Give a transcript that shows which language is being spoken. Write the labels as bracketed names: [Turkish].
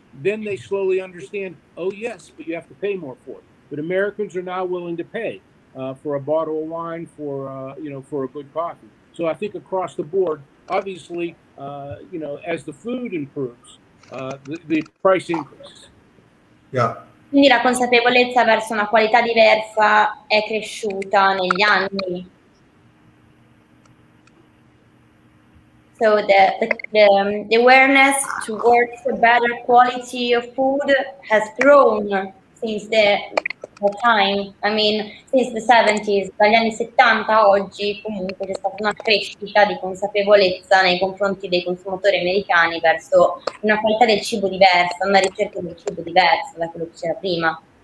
[English] Then they slowly understand, oh yes, but you have to pay more for it. But Americans are now willing to pay for a bottle of wine, for for a good coffee. So I think across the board, obviously, as the food improves, the price increases. Yeah. [Italian] Quindi la consapevolezza verso una qualità diversa è cresciuta negli anni. [English] So the awareness towards a better quality of food has grown since the time. I mean, since the 70s, [Italian] dagli anni 70 oggi comunque c'è stata una crescita di consapevolezza nei confronti dei consumatori americani verso una qualità del cibo diversa, una ricerca del cibo diversa da quello che c'era prima.